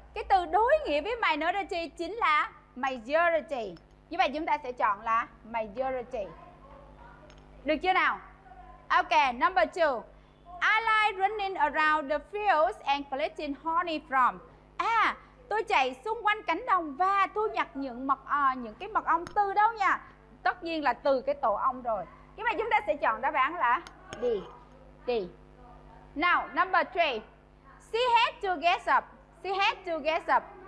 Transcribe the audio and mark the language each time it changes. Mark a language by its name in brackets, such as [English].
[Vietnamese] Cái từ đối nghĩa với minority chính là majority. Như vậy chúng ta sẽ chọn là majority. Được chưa nào? Ok, [English] number 2. I like running around the fields and collecting honey from. [Vietnamese] Tôi chạy xung quanh cánh đồng và thu nhặt những cái mật ong từ đâu nha? Tất nhiên là từ cái tổ ong rồi. Như vậy chúng ta sẽ chọn đáp án là D. [English] Now, number 3. She had to get up. She had to get up.